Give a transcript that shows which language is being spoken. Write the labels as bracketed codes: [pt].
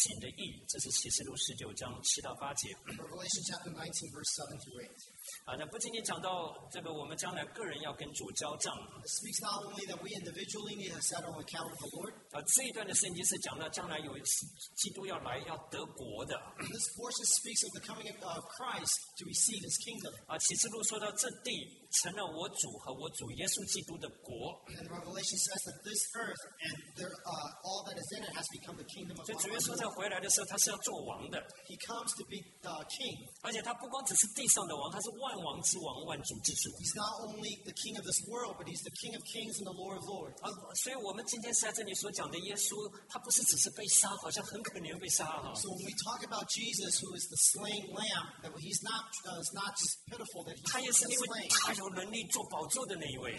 [zh] 他说我们要欢喜快乐，将荣耀归给他，因为羔羊婚娶的时候到了，心腹也自己预备好了，就蒙恩得穿洁白光明洁白的细麻衣。这细麻衣就是圣徒所行的义。这是启示录19:7-8. [en] Revelation chapter 19, verse 7-8. [zh] 那不仅仅讲到这个，我们将来个人要跟主交账。 [en] It speaks not only that we individually need to settle account with the Lord. [zh] 这一段的圣经是讲到将来有基督要来要得国的。 [en] This portion speaks of the coming of Christ to receive His kingdom. [zh] 启示录说到这地成了我主和我主耶稣基督的国。 [en] And Revelation says that this earth and all that is in it has become the kingdom of God. [zh] 所以主耶稣在回来的时候，他是要做王的。 [en] He comes to be the king. [zh] 而且他不光只是地上的王，他是万。 [en] He's not only the king of this world, but he's the king of kings and the Lord of lords. So when we talk about Jesus, who is the slain lamb, that he's not just pitiful, that he's slain.